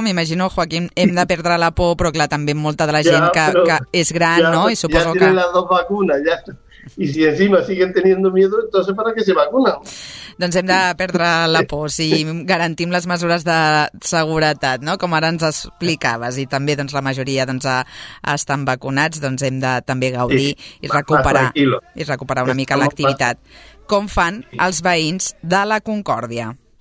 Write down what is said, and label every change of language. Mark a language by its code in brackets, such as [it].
[ca] M'imagino, Joaquim, hem de perdre la por, però clar, també molta de la gent que és gran, [es] ya, no? [ca] I suposo ya que... Ja tenen les dues vacunes, ja. [es] Y si encima siguen teniendo miedo, entonces ¿para qué se vacunan? [ca] Doncs hem de perdre la por si garantim les mesures de seguretat, no? Com ara ens explicaves, i també doncs, la majoria doncs, estan vacunats, doncs hem de també gaudir sí, i recuperar una mica l'activitat. Com fan els veïns de la Concòrdia?